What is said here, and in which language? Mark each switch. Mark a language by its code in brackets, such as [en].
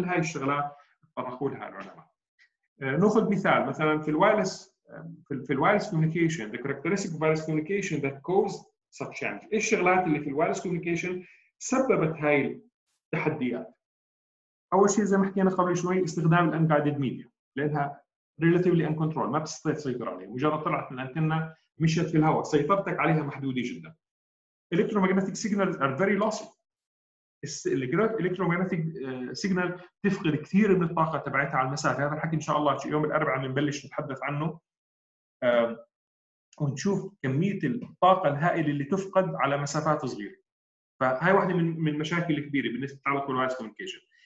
[ar] كل هاي الشغلات طرحوها العلماء. نأخذ مثال مثلاً في الوايرلس في الوايرلس communication [en] the characteristic of wireless communication that caused such challenge. [ar] إيش الشغلات اللي في الوايرلس communication سببت هاي التحديات؟ أول شيء زي ما حكينا قبل شوي استخدام unguided media لأنها [en] relatively uncontrolled [ar] ما بتستطيع تسيطر عليها، مجرد طلعت من الأنتنة مشيت في الهواء سيطرتك عليها محدودة جدا. [en] Electromagnetic signals are very lossy. [ar] Electromagnetic signal تفقد كثير من الطاقة تبعتها على المسافة. هذا الحكي إن شاء الله يوم الأربعاء بنبلش نتحدث عنه ونشوف كمية الطاقة الهائلة اللي تفقد على مسافات صغيرة. فهي واحدة من المشاكل الكبيرة بالنسبة لتعلق بالوايرلس كوميونيكيشن.